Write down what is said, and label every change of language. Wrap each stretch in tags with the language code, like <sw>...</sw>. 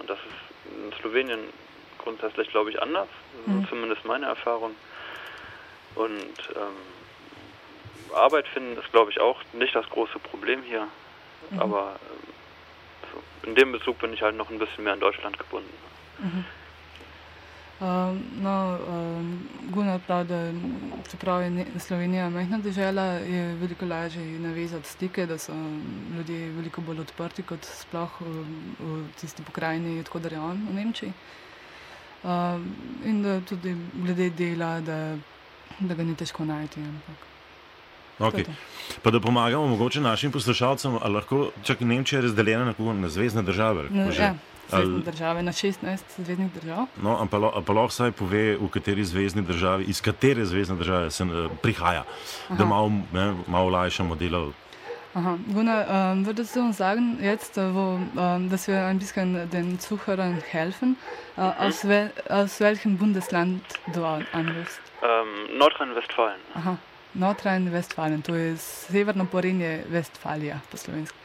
<de>Und das ist in Slowenien grundsätzlich, glaube ich, anders, zumindest meine Erfahrung. Und... Arbeit finden ist, glaube ich, auch nicht das große Problem hier, aber so, in dem Bezug bin ich halt noch ein bisschen mehr in Deutschland gebunden.</de> <sl>Gunnar pravi, da čeprav je Slovenija majhna dežela, je veliko lažje navezati stike, da so ljudje veliko bolj odprti kot sploh v tisti pokrajini, odkudar je on, v Nemčiji. In da tudi glede dela, da ga ni težko najti. Ampak. Okay. Pa da pomagamo mogoče našim poslušalcem, ali lahko, čak Nemčija je razdeljena na koliko? Na zvezdne države? Ja, zvezdne države, na 16 zvezdnih držav. No, ampak lahko vsaj pove, v kateri zvezdni državi, iz katere zvezdne države se prihaja, aha, da malo, ne, malo lajšamo delo.</sl> <de>Aha, Gunnar, würdest du uns sagen, jetzt, wo, dass wir ein bisschen den Zuhörern helfen, aus welchem Bundesland du anrufst? Nordrhein-Westfalen.</de> <sl>Aha. Nordrhein-Westfalen, to je severno Porinje Westfalija, po slovensku.</sl>